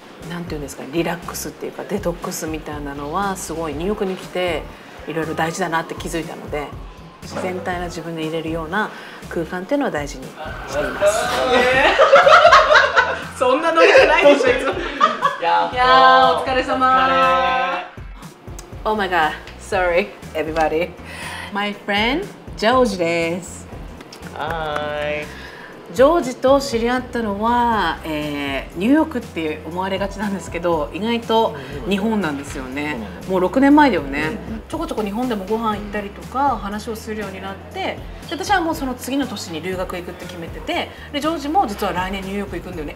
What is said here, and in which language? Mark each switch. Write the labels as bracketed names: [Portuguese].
[Japanese] なんていうんですか、リラックスっていうかデトックスみたいなのはすごいニューヨークに来ていろいろ大事だなって気づいたので、自然体な自分でいれるような空間っていうのは大事にしています。そんなノリじゃないでしょ。いやー、お疲れ様。 [English] Oh my god, sorry everybody. My friend, ジョージです。 Hi. [Japanese] ジョージと知り合ったのは、ニューヨークって思われがちなんですけど、意外と日本なんですよね。もう6年前だよね。ちょこちょこ日本でもご飯行ったりとか話をするようになって、で私はもうその次の年に留学行くって決めてて、でジョージも実は来年ニューヨーク行くんだよね。